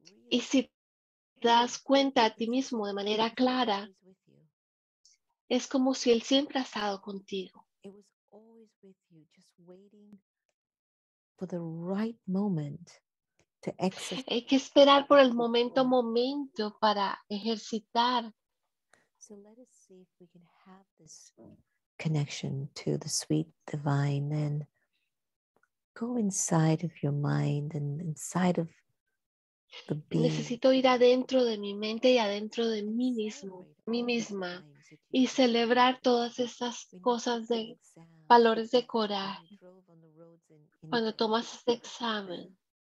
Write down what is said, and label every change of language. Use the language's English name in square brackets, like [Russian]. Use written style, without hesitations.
[Spanish] Y si das cuenta a ti mismo de manera clara, es como si él siempre ha estado contigo. [English] It was always with you, just waiting for the right moment to exercise. [Spanish] Hay que esperar por el momento para ejercitar. [English] So let us see if we can have this connection to the sweet divine and go inside of your mind and inside of. [Spanish] Necesito ir adentro de mi mente y adentro de mí mismo, mí misma, y celebrar todas esas cosas de valores de coraje cuando tomas este examen.